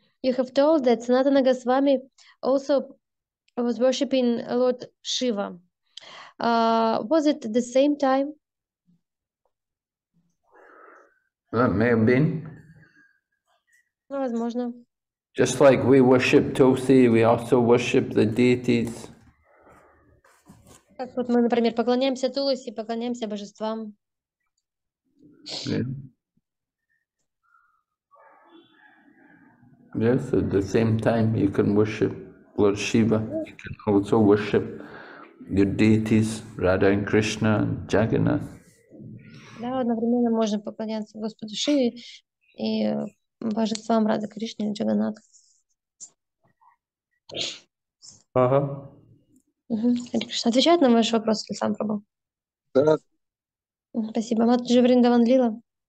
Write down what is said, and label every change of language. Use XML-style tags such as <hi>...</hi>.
<en>You have told that Sanatana Goswami also was worshipping Lord Shiva. Was it the same time? That may have been.</en> <ru>Возможно.</ru> <en>Just like we worship Tulsi, we also worship the deities.</en> <ru>Как вот мы, например, поклоняемся Тулоси, поклоняемся божествам.</ru> <en>Yes, at the same time you can worship Lord Shiva, you can also worship your deities, Radha and Krishna, and Jagannath.</en> <ru>Да, одновременно можно поклоняться Господу Шиве и божествам Радха Кришне и Джаганнатху. Ага. Кришна, отвечает на ваш вопрос, если сам пробовал? Да. Спасибо. Матаджи Вриндаван Лила.</ru>